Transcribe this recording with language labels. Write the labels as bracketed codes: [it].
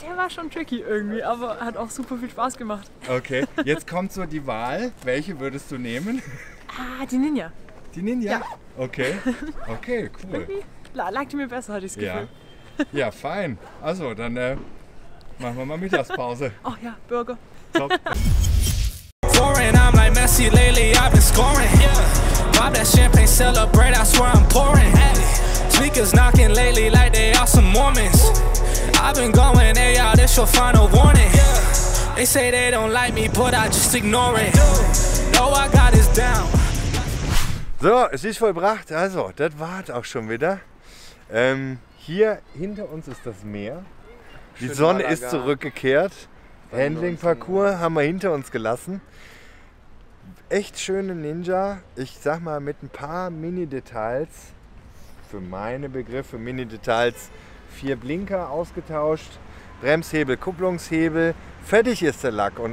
[de] Der war schon tricky irgendwie, aber hat auch super viel Spaß gemacht. Okay, jetzt kommt so die Wahl. Welche würdest du nehmen? Ah, die Ninja. Die Ninja? Ja. Okay, cool. Lag die mir besser, hatte ich das Gefühl. Ja, ja, fein. Also, dann machen wir mal Mittagspause. Oh ja, Burger. [en] Foreign, I'm like Messi lately, I've been scoring. Pop that champagne, celebrate, I swear I'm pouring. Sneakers knocking lately like they are some Mormons. I've been going, hey, y'all, this your final warning. They say they don't like me, but I just ignore it. No, I got it down. [de] So, es ist vollbracht. Also, das war's auch schon wieder. Hier hinter uns ist das Meer. Die schön Sonne ist zurückgekehrt. Handling-Parcours haben wir hinter uns gelassen. Echt schöne Ninja. Ich sag mal, mit ein paar Mini-Details, für meine Begriffe Mini-Details, 4 Blinker ausgetauscht, Bremshebel, Kupplungshebel, fertig ist der Lack.